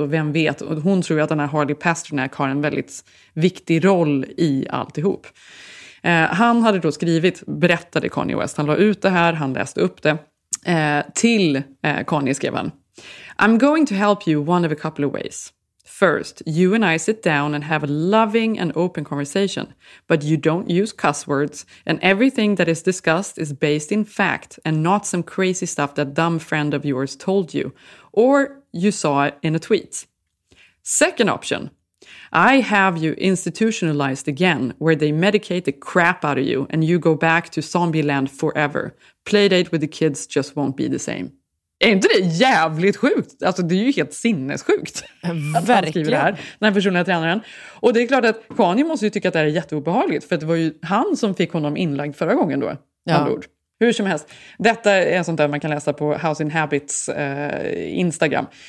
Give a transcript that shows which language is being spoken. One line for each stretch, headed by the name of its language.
Swedish: Och vem vet, och hon tror ju att den här Harley Pasternak har en väldigt viktig roll i alltihop. Han hade då skrivit, berättade Kanye West, han la ut det här, han läste upp det, till Kanye skrev han:
English: I'm going to help you one of a couple of ways. First, you and I sit down and have a loving and open conversation, but you don't use cuss words, and everything that is discussed is based in fact and not some crazy stuff that dumb friend of yours told you, or you saw it in a tweet. Second option, I have you institutionalized again, where they medicate the crap out of you and you go back to zombie land forever. Playdate with the kids just won't be the same.
Swedish: Är inte det jävligt sjukt? Alltså det är ju helt sinnessjukt. Verkligen. Det här, den personliga tränaren. Och det är klart att Kanye måste ju tycka att det är jätteobehagligt. För det var ju han som fick honom inlagd förra gången då. Ja. Hur som helst. Detta är sånt där man kan läsa på House in Habits Instagram.